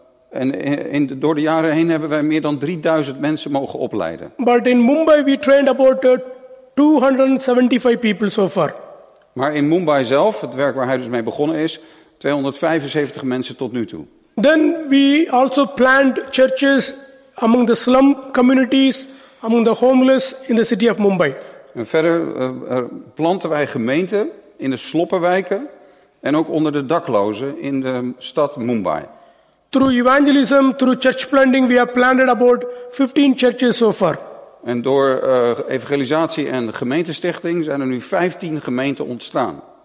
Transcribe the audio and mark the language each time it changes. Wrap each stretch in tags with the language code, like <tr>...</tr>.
<nl>En door de jaren heen hebben wij meer dan 3000 mensen mogen opleiden.</nl> <en>But in Mumbai we trained about 275 people so far.</en> <nl>Maar in Mumbai zelf, het werk waar hij dus mee begonnen is, 275 mensen tot nu toe.</nl> <en>Then we also planned churches among the slum communities, among the homeless in the city of Mumbai.</en> <nl>En verder planten wij gemeenten in de sloppenwijken en ook onder de daklozen in de stad Mumbai.</nl> <en>Through evangelism, through church planting, we have planted about 15 churches so far.</en> <nl>En door evangelisatie en gemeentestichting zijn er nu 15 gemeenten ontstaan.</nl>